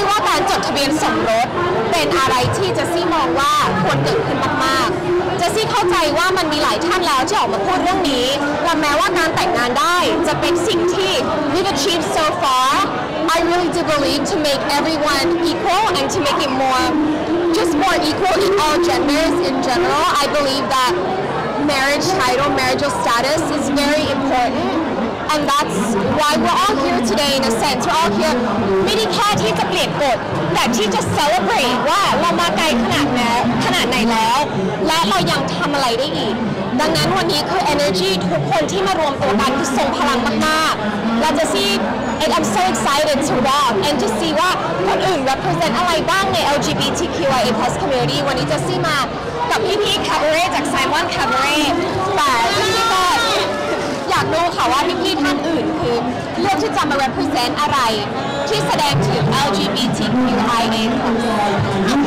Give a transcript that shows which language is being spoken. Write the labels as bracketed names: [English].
[Thai] การจดทะเบียนสมรสเป็นอะไรที่เจสซี่มองว่าควรเกิดขึ้นมากๆเจสซี่เข้าใจว่ามันมีหลายท่านแล้วที่ออกมาพูดเรื่องนี้และแม้ว่าการแต่งงานได้จะเป็นสิ่งที่ [English] we've achieved so far I really do believe to make everyone equal and to make it more just more equal in all genders in general I believe that marriage title marital status is very importantAnd that's why we're all here today, in a sense. We're all here, maybe not to change the rules, but to just celebrate that we're far enough away, and we can do something else. [Thai] ดังนั้นวันนี้คือ energy ทุกคนที่มารวมตัวกันคือส่งพลังมากๆและจะซี [English] I'm so excited to walk and to see [Thai] ว่าคนอื่น represent อะไรบ้างใน LGBTQIA+ community วันนี้จะซี่มากับพี่ๆ cabaret จาก Simon cabaret แต่พี่ๆก็อยากรู้ค่ะว่าพี่ๆท่านอื่นคือเลือกที่จะมา represent อะไรที่แสดงถึง LGBTQIA+ คนอื่น